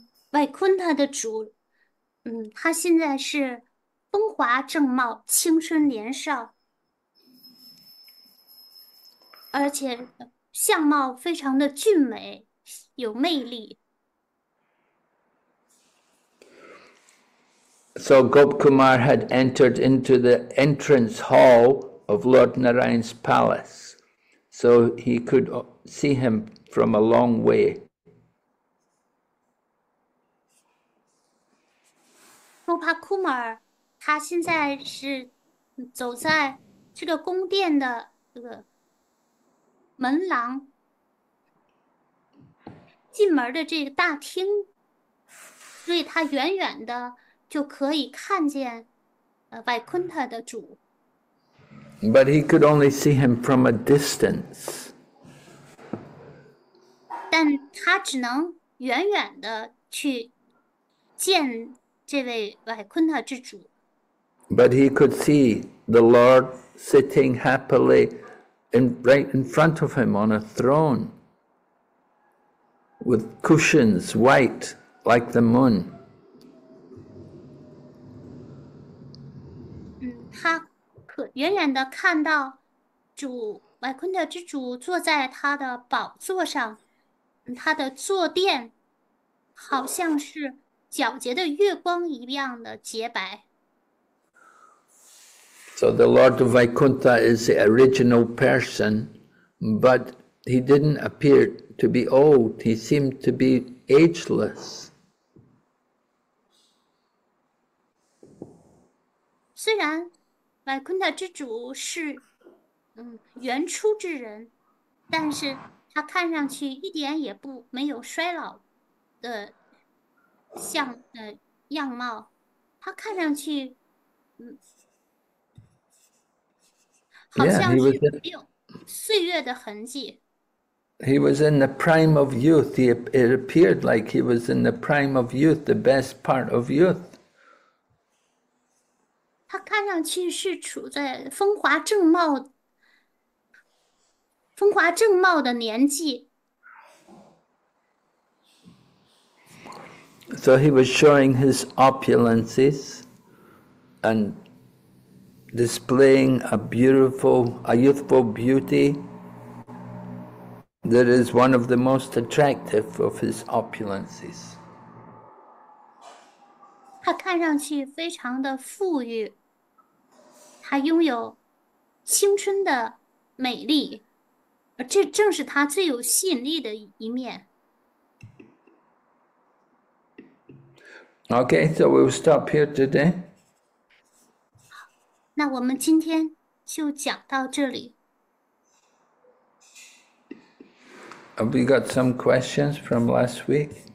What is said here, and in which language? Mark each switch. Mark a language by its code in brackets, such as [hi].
[zh] 外坤他的主，他现在是风华正茂、青春年少，而且相貌非常的俊美，有魅力。 [en] So Gop Kumar had entered into the entrance hall of Lord Narayan's palace, so he could see him from a long way. [zh] Gopa Kumar，他现在是走在这个宫殿的这个门廊，进门的这个大厅，所以他远远的就可以看见Vaikuntha 的主。 [en] But he could only see him from a distance. [zh] 但他只能远远的去见这位外坤他之主， [en] But he could see the Lord sitting happily in right in front of him on a throne with cushions white like the moon. [zh] 他可远远的看到主外坤他之主坐在他的宝座上，他的坐垫好像是皎洁的月光一样的洁白。 [en] So the Lord of Vaikuntha is the original person, but he didn't appear to be old. He seemed to be ageless. [zh] 虽然外坤的之主是原初之人，但是他看上去一点也不没有衰老的像样貌，他看上去，好 Yeah, 像是没有岁月的痕迹。 [en] he was in the prime of youth. It appeared like he was in the prime of youth, the best part of youth. [zh] 他看上去是处在风华正茂的年纪。 [en] So he was showing his opulences and displaying a youthful beauty that is one of the most attractive of his opulences. [zh] 他看上去非常的富裕，他拥有青春的美丽，而这正是他最有吸引力的一面。 [en] Okay, so we'll stop here today. [zh] 那我们今天就讲到这里。 [en] Have we got some questions from last week?